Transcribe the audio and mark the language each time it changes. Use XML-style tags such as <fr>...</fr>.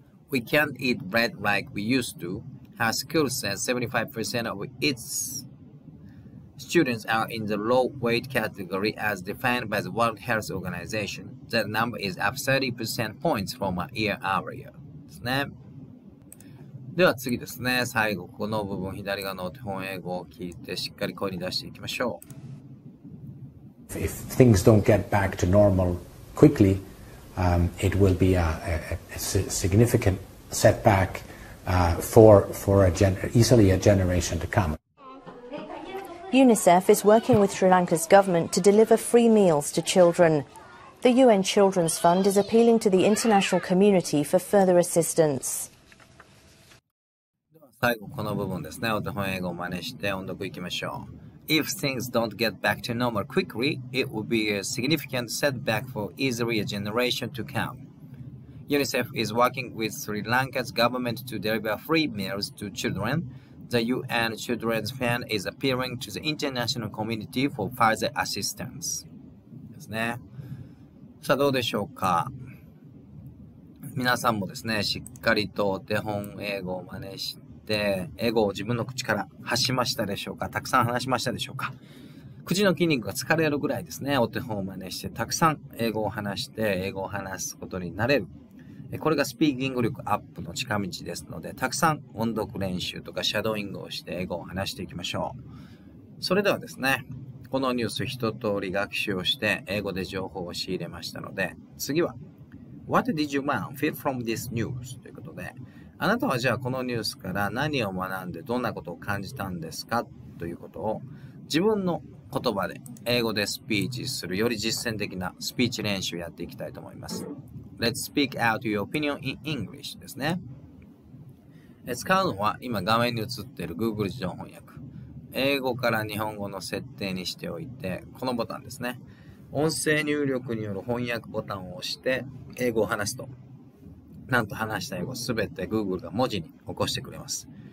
<en>We can't eat bread like we used to. Her school says 75% of its students are in the low weight category as defined by the World Health Organization. That number is up 30 percent points from a year earlier. Snap.</en> <ja>では次ですね、最後この部分、左側の本英語を聞いてしっかり声に出していきましょう。</ja> <en>If things don't get back to normal quickly, it will be a significant setback for easily a generation to come. UNICEF is working with Sri Lanka's government to deliver free meals to children. The UN Children's Fund is appealing to the international community for further assistance.</en> <ja>最後この部分ですね。お手本英語を真似して音読いきましょう。</ja> <en>If things don't get back to normal quickly, it will be a significant setback for easily a generation to come. UNICEF is working with Sri Lanka's government to deliver free meals to children. The UN Children's Fund is appealing to the international community for further assistance.</en> <ja>ですね。さあどうでしょうか。皆さんもですね、しっかりとお手本英語を真似して、で英語を自分の口から発しましたでしょうか、たくさん話しましたでしょうか。口の筋肉が疲れるぐらいですね、お手本を真似してたくさん英語を話して英語を話すことになれる、これがスピーキング力アップの近道ですので、たくさん音読練習とかシャドーイングをして英語を話していきましょう。それではですね、このニュース一通り学習をして英語で情報を仕入れましたので、次は</ja> <en>What did you learn from this news</en> <ja>ということで、あなたはじゃあこのニュースから何を学んでどんなことを感じたんですかということを自分の言葉で英語でスピーチする、より実践的なスピーチ練習をやっていきたいと思います。</ja> <en>Let's speak out your opinion in English</en> <ja>ですね。使うのは今画面に映っている Google 自動翻訳、英語から日本語の設定にしておいて、このボタンですね、音声入力による翻訳ボタンを押して英語を話すと、なんと話した英語すべて Google が文字に起こしてくれます。</ja>